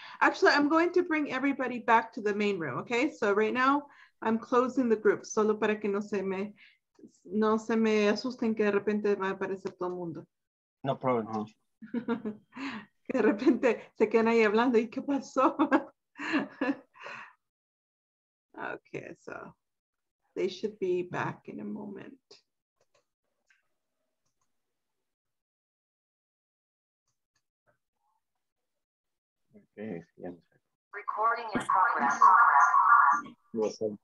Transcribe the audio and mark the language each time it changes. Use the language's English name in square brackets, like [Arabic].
[English] Actually, I'm going to bring everybody back to the main room. Okay, so right now I'm closing the group. [Spanish] Solo para que no se me asusten que de repente va a aparecer todo el mundo. [English] No problem. [Spanish] Que de repente se quedan ahí hablando y qué pasó. [English] Okay, so they should be back in a moment. Recording in progress.